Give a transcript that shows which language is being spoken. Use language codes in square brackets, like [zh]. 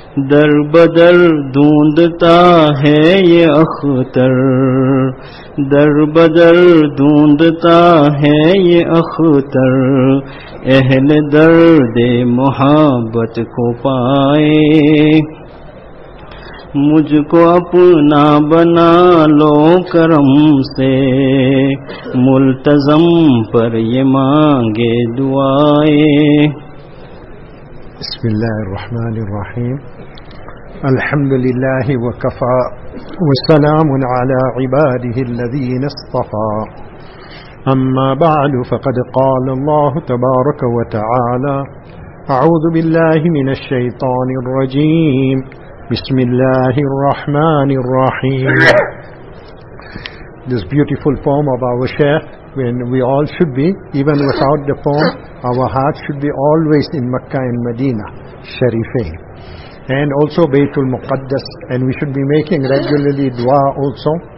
[ur] در بدر ڈھونڈتا ہے یہ اختر در بدر ڈھونڈتا ہے یہ اختر اہل درد محبت کو پائے. مجھ کو اپنا بنا لو کرم سے ملتزم پر یہ مانگے دعائے. [ar] بسم اللہ الرحمن الرحیم. الحمد لله وكفى وسلام على عباده الذين اصطفى. أما بعد فقد قال الله تبارك وتعالى أعوذ بالله من الشيطان الرجيم بسم الله الرحمن الرحيم. [en] This beautiful form of our Shaykh, when we all should be, even without the form, our heart should be always in Makkah and Medina Sharifain, and also Baytul Muqaddas, and we should be making regularly dua also.